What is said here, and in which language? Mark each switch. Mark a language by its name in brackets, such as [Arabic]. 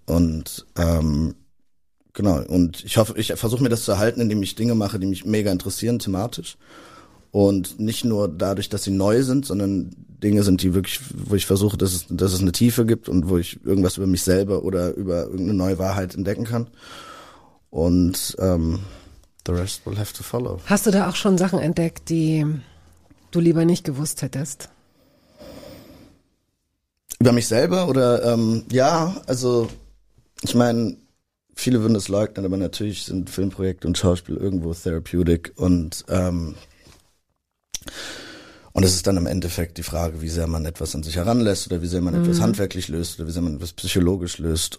[German] Und genau. Und ich versuche mir das zu erhalten, indem ich Dinge mache, die mich mega interessieren thematisch. Und nicht nur dadurch, dass sie neu sind, sondern Dinge sind, die wirklich, wo ich versuche, dass es eine Tiefe gibt und wo ich irgendwas über mich selber oder über irgendeine neue Wahrheit entdecken kann. Und [English] the rest will have to follow. [German] Hast du da auch schon Sachen entdeckt, die du lieber nicht gewusst hättest? Über mich selber oder ja, also ich meine, viele würden das leugnen, aber natürlich sind Filmprojekte und Schauspiel irgendwo therapeutic und es ist dann im Endeffekt die Frage, wie sehr man etwas an sich heranlässt oder wie sehr man etwas handwerklich löst oder wie sehr man etwas psychologisch löst.